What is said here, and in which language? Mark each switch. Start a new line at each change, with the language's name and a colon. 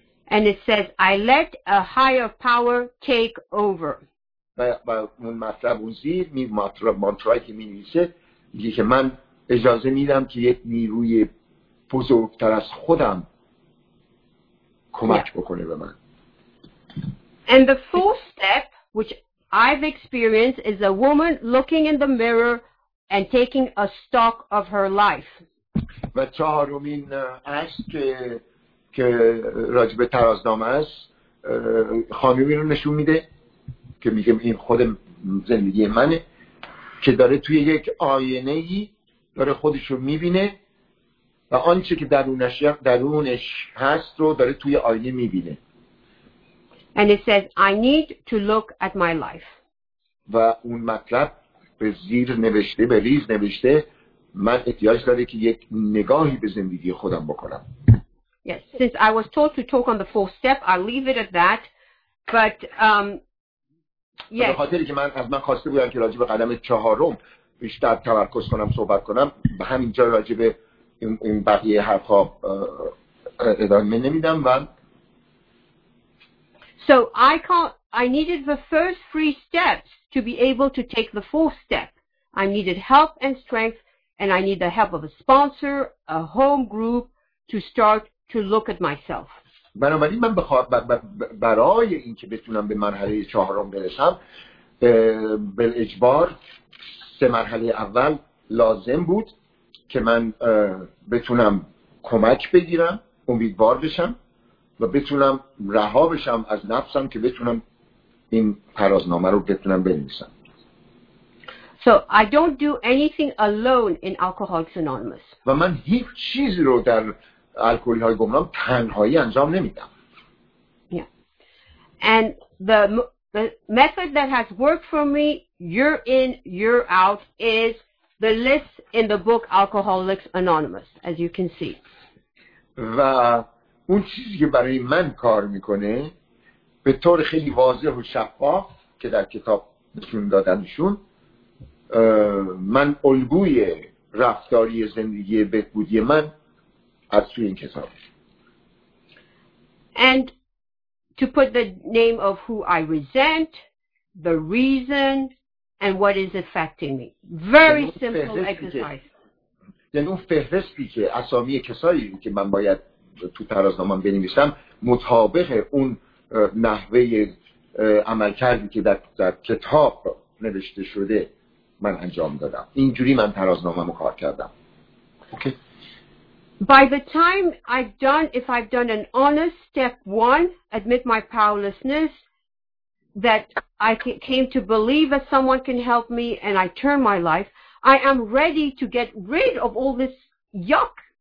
English: And it says I let a higher power take over.
Persian: و اون مطلب اون زیر مانترایی که می نویسه میگه که من اجازه میدم که یک نیروی بزرگتر از خودم کمک بکنه به من.
English: And the fourth step, which I've experienced is a woman looking in the mirror and taking a stock of her life.
Persian: و چهارمین است که راجب ترازنامه است خانمی رو نشون میده که میگه این خود زندگی منه که داره توی یک آینه ای داره خودش رو میبینه و آنچه که درونش هست رو داره توی آینه میبینه.
English: And it says I need to look at my life.
Persian: و اون مطلب به زیر نوشته به ریز نوشته من احتیاج داره که یک نگاهی به زندگی خودم بکنم.
English: Yes, since I was told to talk on the fourth step, I'll leave it at that. But yes.
Persian: به خاطری که من خواسته بودم که راجع به قدم چهارم بیشتر تمرکز کنم صحبت کنم به همین جا راجع به این بقیه حرفا ادامه نمیدم و
English: So I needed the first three steps to be able to take the fourth step. I needed help and strength, and I need the help of a sponsor, a home group, to start to look at myself.
Persian: بنابراین من برای اینکه بتونم به مرحله چهارم برسم بل اجبار سه مرحله اول لازم بود که من بتونم کمک بگیرم امیدوار بشم و بتونم رها بشم از نفسم که بتونم این ترازنامه رو بتونم بنویسم.
English: So I don't do anything alone in Alcoholics Anonymous.
Persian: و من هیچ چیزی رو در الکلی های گمنام تنهایی انجام نمیدم.
English: Yeah. And the method that has worked for me year in year out is the list in the book Alcoholics Anonymous, as you can see.
Persian: و اون چیزی که برای من کار میکنه به طور خیلی واضح و شفاف که در کتاب نشون دادنشون من الگوی رفتاری زندگی بهبودی من از توی این کتاب.
English: And to put the name of who I resent, the reason, and what is affecting me. Very simple exercise.
Persian: یعنی اون فهرستی که اسامی کسایی که من باید تو ترازنامه‌ام بنویسم مطابق اون نحوه عملکردی که در کتاب نوشته شده من انجام دادم. اینجوری من ترازنامه‌مو کار کردم.
English: Okay. By the time I've done an honest step one, admit my powerlessness, that I came to believe that someone can help me and I turn my life, I am ready to get rid of all this yuck.